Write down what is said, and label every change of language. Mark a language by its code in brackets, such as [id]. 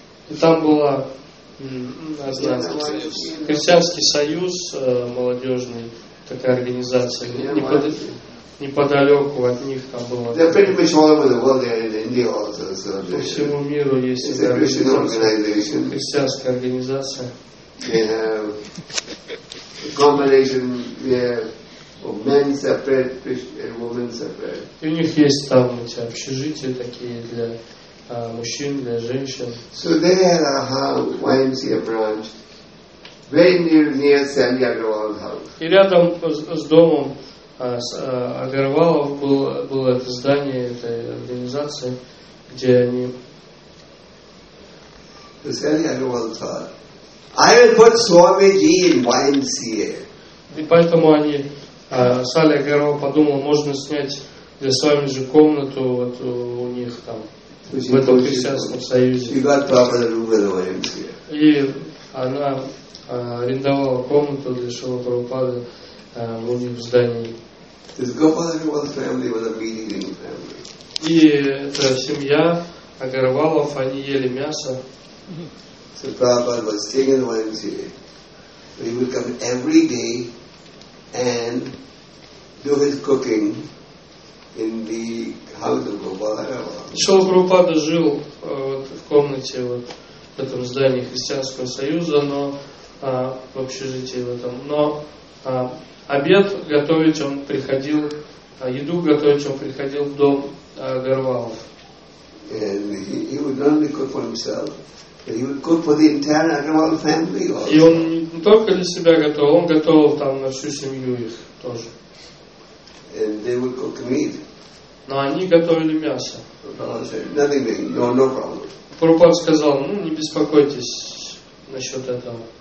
[ru] И там была Христианский союз молодежный, такая организация, неподалеку от них там было. [en] They're pretty much all over the world, they're in India also. So [ru] по всему миру есть [en] it's a Christian organization. [ru] Христианская организация. [en] They have a combination of men separate Christian and women separate. [ru] И у них есть там эти общежития такие для мужчин, для женщин. [en] So they had a house, YMCA branch, very near Sally Agarwal's house. [ru] И рядом с домом Агарвалов было это здание этой организации, где они. [en] So Sally Agarwal thought, I will put Swamiji in YMCA. [ru] И поэтому они Сали Агарвал подумал, можно снять для Свамиджи комнату вот у них там. В этом Христианском союзе. И она арендовала комнату для Шрилы Прабхупады в этом здании. И эта семья Агарвалов, они ели мясо. [en] So Prabhupada was staying in YMCA. He would come every day and do his cooking in the house of Gopala Agarwal. [ru] Шрила Прабхупада жил в комнате вот в этом здании Христианского союза, но в общежитии в этом. Но обед готовить он приходил, еду готовить он приходил в дом Агарвалов. [en] And he would not only cook for himself, but he would cook for the entire Agarwal family. [ru] И он не только для себя готовил, он готовил там на всю семью их тоже. [en] And they would cook meat. [ru] Но они готовили мясо. [en] No problem. [ru] Прабхупад сказал, не беспокойтесь насчет этого.